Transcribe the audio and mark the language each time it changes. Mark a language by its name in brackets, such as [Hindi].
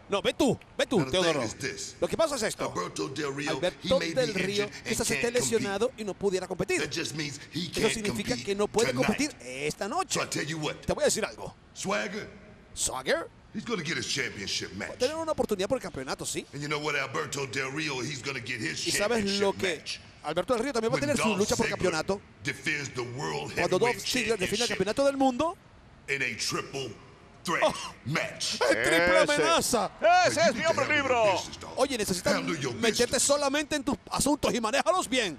[Spanish] No, ve tú, Teodoro. Lo que pasa es esto. Alberto Del Río quizás esté lesionado y no pudiera competir. Eso significa que no puede competir esta noche. Te voy a decir algo. [English] Swagger. He's going to get his championship match. [Spanish] Va a tener una oportunidad por el campeonato, sí. [English] And you know what, Alberto Del Rio, he's going to get his championship [Spanish] match. ¿Y sabes lo que? Alberto Del Rio también va a tener su lucha por campeonato. Cuando Dolph Ziggler defiende el campeonato del mundo. [English] In a triple threat match. [Spanish] ¡En triple amenaza! ¡Ese es mi hombre libro! Oye, necesitas meterte solamente en tus asuntos y manéjalos bien.